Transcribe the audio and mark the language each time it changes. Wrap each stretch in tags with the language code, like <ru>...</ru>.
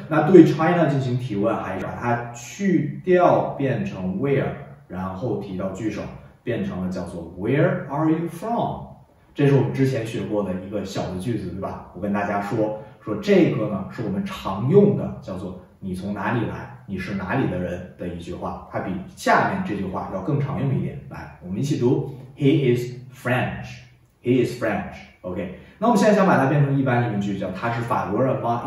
<zh>那对 China 进行提问，还是把它去掉变成 where， 然后提到句首，变成了叫做</zh> <en>Where are you from？</en> <zh>这是我们之前学过的一个小的句子，对吧？我跟大家说这个呢，是我们常用的叫做你从哪里来，你是哪里的人的一句话，它比下面这句话要更常用一点。来，我们一起读</zh> <en>He is French， He is French。</en> <zh>OK， 那我们现在想把它变成一般疑问句，叫他是法国人吗？</zh>